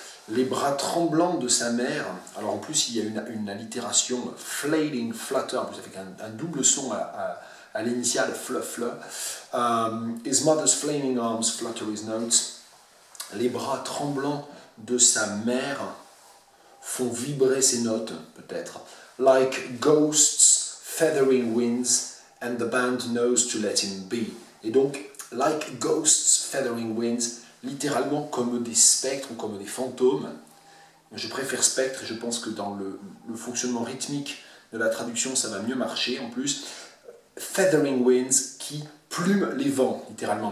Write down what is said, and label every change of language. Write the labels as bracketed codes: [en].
[fr] Les bras tremblants de sa mère, alors en plus il y a une allitération [en] flailing, flutter, [fr] vous avez un double son à l'initial Fluffla. [en] His mother's flaming arms flutter his notes. [fr] Les bras tremblants de sa mère font vibrer ses notes, peut-être. [en] Like ghosts feathering winds, and the band knows to let him be. [fr] Et donc, [en] like ghosts feathering winds, [fr] littéralement comme des spectres ou comme des fantômes. Je préfère spectre, je pense que dans le fonctionnement rythmique de la traduction, ça va mieux marcher en plus. [en] Feathering winds, [fr] qui plume les vents, littéralement.